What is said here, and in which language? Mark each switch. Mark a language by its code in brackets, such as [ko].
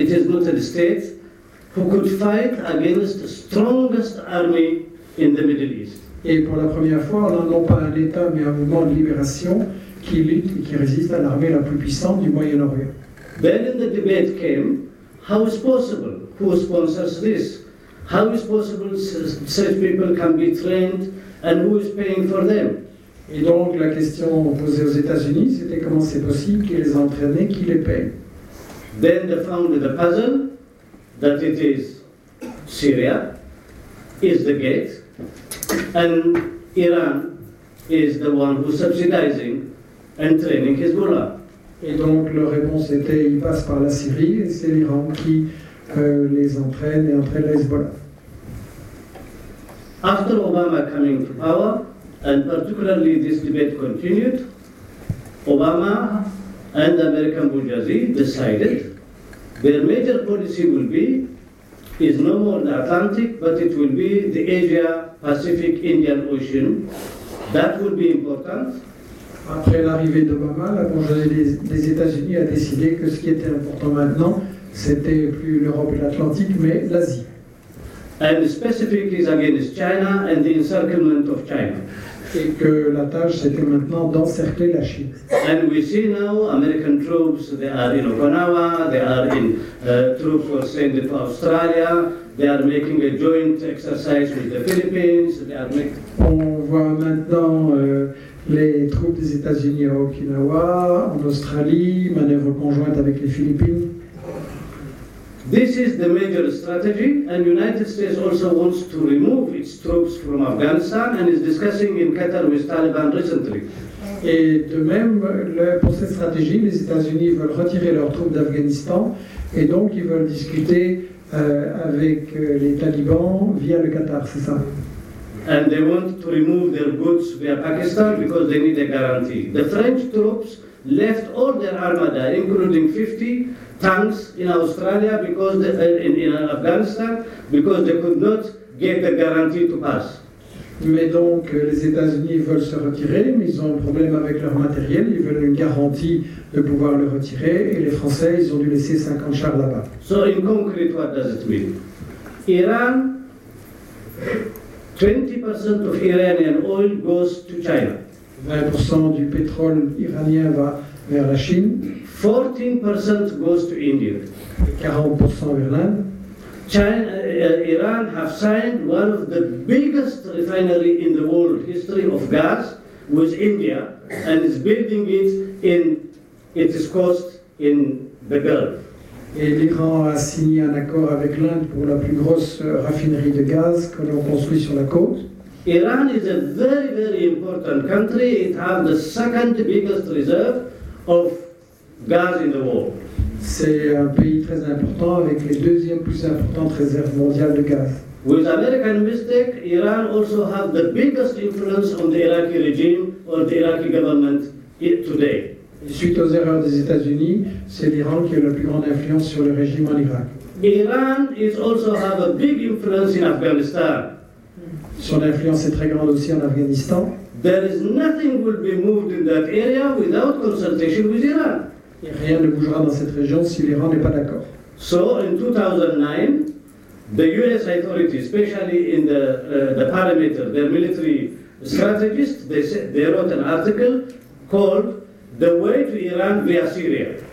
[en] It is not a state who could fight against the strongest army in the Middle East. [fr] Et pour la première fois, on n'a pas un État, mais un mouvement de libération qui lutte et qui résiste à l'armée la plus puissante du Moyen-Orient. [en] Then in the debate came, how is possible? Who sponsors this? How is possible such people can be trained and who is paying for them? [fr] Et donc la question posée aux États-Unis, c'était comment c'est possible, qui les a entraînés, qui les paye? [en] Then they found the puzzle that it is Syria is the gate and Iran is the one who's subsidizing and training Hezbollah. [fr] Et donc leur réponse était, ils passent par la Syrie et c'est l'Iran qui les entraîne et entraîne Hezbollah. [en] After Obama coming to power, and particularly this debate continued, Obama and the American bourgeoisie decided their major policy will be, is no more the Atlantic, but it will be the Asia, Pacific, Indian Ocean. That would be important. [fr] Après l'arrivée d'Obama, la bourgeoisie des États-Unis a décidé que ce qui était important maintenant, c'était plus l'Europe et l'Atlantique, mais l'Asie. [en] And specifically against China and the encirclement of China. [fr] Et que la tâche c'était maintenant d'encercler la Chine. [en] And we see now American troops, they are in Okinawa, they are in troops were sent to Australia, they are making a joint exercise with the Philippines, they are making... [fr] On voit maintenant les troupes des États-Unis à Okinawa, en Australie, manœuvre conjointe avec les Philippines. [en] This is the major strategy, and the United States also wants to remove its troops from Afghanistan and is discussing in Qatar with Taliban recently. [fr] Et de même, pour cette stratégie, les États-Unis veulent retirer leurs troupes d'Afghanistan et donc ils veulent discuter avec les Talibans via le Qatar, c'est ça? [en] And they want to remove their goods via Pakistan because they need a guarantee. The French troops left all their armada, including 50 tanks in Australia because they, in Afghanistan because they could not get the guarantee to pass. [fr] Mais donc les États-Unis veulent se retirer, mais ils ont un problème avec leur matériel, ils veulent une garantie de pouvoir le retirer, et les Français, ils ont dû laisser 50 chars là-bas. [en] So in concrete, what does it mean? Iran, 20% of Iranian oil goes to China. [fr] 20% du pétrole iranien va vers la Chine. [en] 14% goes to India. [fr] 40% vers l'Inde. [en] Iran have signed one of the biggest refinery in the world history of gas with India and is building it in its coast in the Gulf. [fr] Et l'Iran a signé un accord avec l'Inde pour la plus grosse raffinerie de gaz que l'on construit sur la côte. [en] Iran is a very, very important country. It has the second biggest reserve of gas in the world. [fr] C'est un pays très important avec les deuxièmes plus importantes réserves mondiales de gaz. [en] With American mistake, Iran also have the biggest influence on the Iraqi regime or the Iraqi government today. [fr] Et suite aux erreurs des États-Unis, c'est l'Iran qui a la plus grande influence sur le régime en Irak. [en] Iran is also have a big influence in Afghanistan. [fr] Son influence est très grande aussi en Afghanistan. [en] There is nothing will be moved in that area without consultation with Iran. [fr] Et rien ne bougera dans cette région si l'Iran n'est pas d'accord. [en] So in 2009, the US authorities, especially in the parliament, their military strategists, they wrote an article called "The Way to Iran via Syria."